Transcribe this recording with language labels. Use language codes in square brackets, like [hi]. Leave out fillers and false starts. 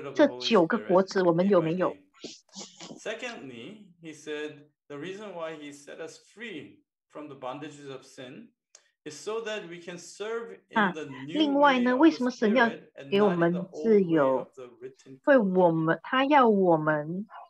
[zh] 这九个果子我们有没有？ [en] Secondly, he said the reason why he set us free from the bondages of sin is so that we can serve in the new. [zh] 另外呢，为什么神要给我们自由？为我们，他要我们